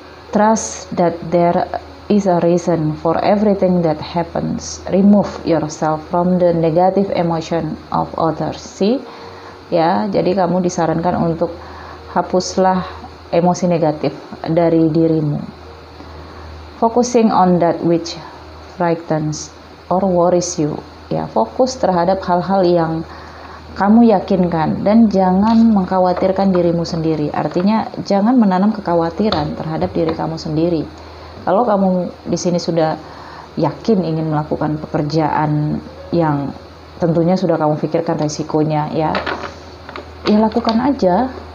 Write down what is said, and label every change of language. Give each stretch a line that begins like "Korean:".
English: Trust that there is a reason for everything that happens. Remove yourself from the negative emotion of others. See?
Indonesian: Ya, jadi kamu disarankan untuk hapuslah emosi negatif dari dirimu.
English: Focusing on that which frightens or worries you.
Indonesian: Ya, fokus terhadap hal-hal yang kamu yakinkan, dan jangan mengkhawatirkan dirimu sendiri. Artinya jangan menanam kekhawatiran terhadap diri kamu sendiri. Kalau kamu di sini sudah yakin ingin melakukan pekerjaan yang tentunya sudah kamu pikirkan resikonya ya, ya lakukan aja.